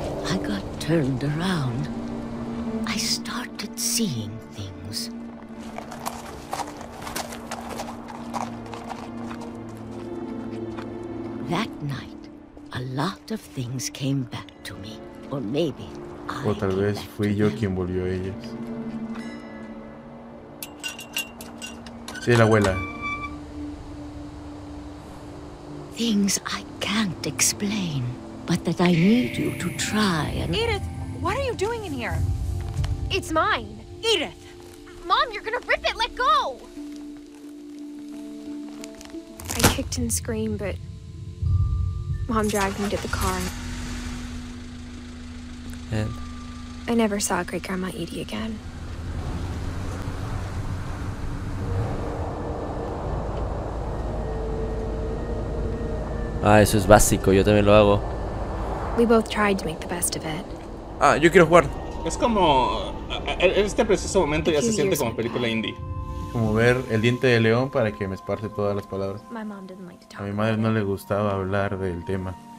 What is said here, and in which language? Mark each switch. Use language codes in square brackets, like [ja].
[en] I got turned around. I started seeing things. That night, a lot of things came back to me. Or maybe [es] o tal vez fui yo quien volvió a ellas. Sí, la abuela. [en] things I can't explain, but that I need you to try and... Edith, what are you doing in here? It's mine. Edith! Mom, you're gonna rip it! Let go! I kicked and screamed, but Mom dragged me to the car. And? I never saw great-grandma Edie again. [es] Ah, eso es básico, yo también lo hago. [en] We both tried to make the best of it. [es] Ah, yo quiero jugar. Es como... este preciso momento ya se siente como película indie. Como ver El Diente de León para que me esparce todas las palabras. A mi madre no le gustaba hablar del tema.